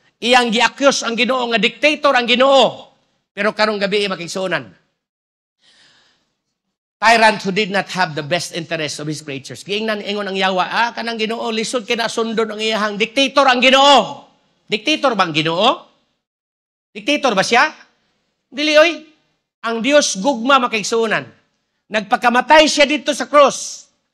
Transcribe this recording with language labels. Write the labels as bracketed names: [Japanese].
[Cebuano] Iyang giakyos ang Ginoo nga dictator ang Ginoo. Pero karong gabi makaigsoonan. [English] Tyrant who did not have the best interest of his creatures. [Cebuano] Giingnan ingon ang Yawa, ah, kanang Ginoo, lisod kina sundon ang iyahang dictator ang Ginoo. Dictator bang Ginoo? Dictator ba siya? Dili oy. Ang Dios gugma makigsuonan. Nagpakamatay siya dito sa cross.